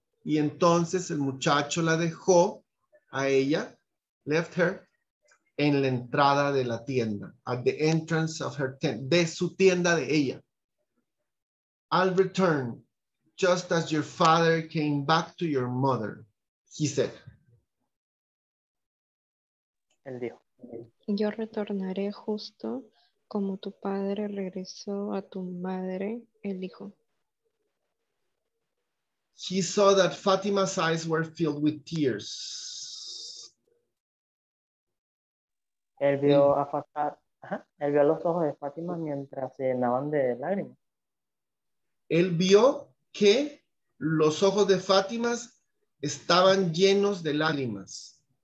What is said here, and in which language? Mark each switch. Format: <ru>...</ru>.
<es>Y entonces el muchacho la dejó a ella,</es> <en>left her,</en> <es>en la entrada de la tienda,</es> <en>at the entrance of her tent,</en> <es>de su tienda de ella.</es> <en>I'll return just as your father came back to your mother, he said.</en> <es>Él dijo. Yo retornaré justo como tu padre regresó a tu madre, él dijo.</es> <en>He saw that Fatima's eyes were filled with tears.</en> <es>Él vio a Fatima, él vio los ojos de Fatima mientras se llenaban de lágrimas. Él vio que los ojos de Fátima estaban llenos de lágrimas.</es>